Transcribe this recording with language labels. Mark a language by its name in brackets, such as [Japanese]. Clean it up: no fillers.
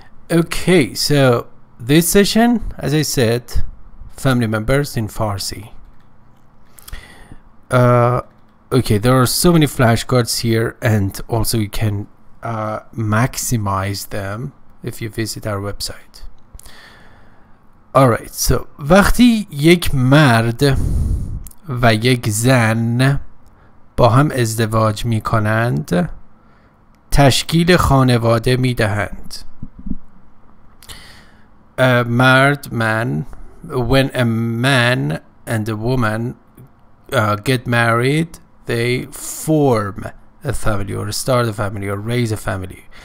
[English] Okay, so this session, as I said, family members in Farsi. Okay, there are so many flashcards here, and also you can maximize them if you visit our website. All right, so [Persian] وقتی یک مرد و یک زن با هم ازدواج می کنند تشکیل خانواده می دهند. [English] When a man and a woman get married, they form a family or start a family or raise a family.